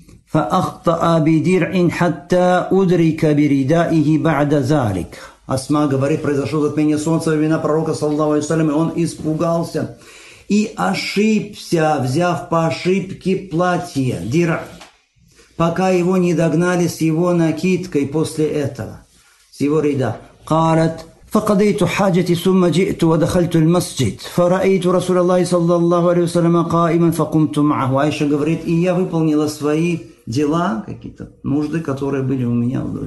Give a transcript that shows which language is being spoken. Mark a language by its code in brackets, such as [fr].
[ar] Фа ахтаа би дир'ин хатта удрика би ридаихи ба'да залик». [ru] Асма говорит, произошло затмение солнца во времена пророка саллаллаху алейхи ва саллям, и он испугался и ошибся, взяв по ошибке платье дир'а, пока его не догнали с его накидкой после этого, с его рида. [ar] قالت فقضيت حاجتي ثم جئت ودخلت المسجد فرأيت رسول الله صلى الله عليه وسلم قائما فقمت معه. [ru] Айша говорит, и я выполнила свои дела, какие-то нужды, которые были у меня